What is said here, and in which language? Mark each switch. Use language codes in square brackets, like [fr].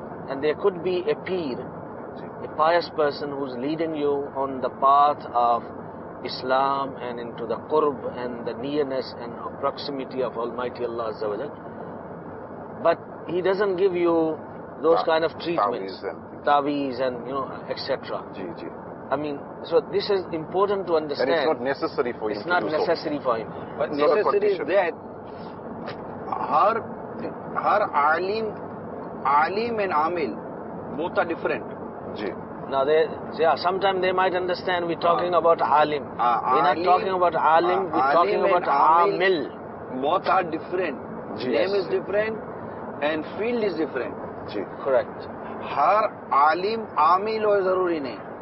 [en] And there could be a peer, a pious person who is leading you on the path of Islam and into the qurb and the nearness and proximity of Almighty Allah Azza wa Jal. But he doesn't give you those kind of treatments, taweez and you know, etc. I mean, so this is important to understand. And it's not necessary for him. It's not necessary for him. But necessary is that ہر عالم عالم and عامل both are different. جی Now they say, yeah, sometimes they might understand we're talking about alim. We're not talking about alim, we're talking about amil. Both are different. Yes. Name is different and field is different. Ji. Correct. [ur] Har alim amil ho zaruri nahi.